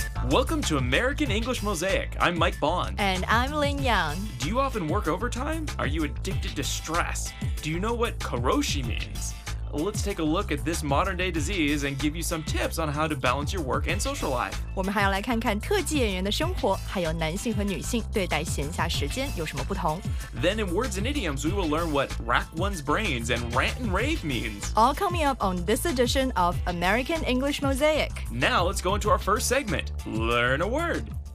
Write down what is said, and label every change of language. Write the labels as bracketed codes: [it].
[en] Welcome to American English Mosaic. I'm Mike Bond. And I'm Lin Yang. Do you often work overtime? Are you addicted to stress? Do you know what karoshi means? Let's take a look at this modern-day disease and give you some tips on how to balance your work and social life. [zh] 我们还要来看看特技演员的生活，还有男性和女性对待闲暇时间有什么不同。 [en] Then in words and idioms, we will learn what rack one's brains and rant and rave means. All coming up on this edition of American English Mosaic. Now let's go into our first segment, Learn a Word.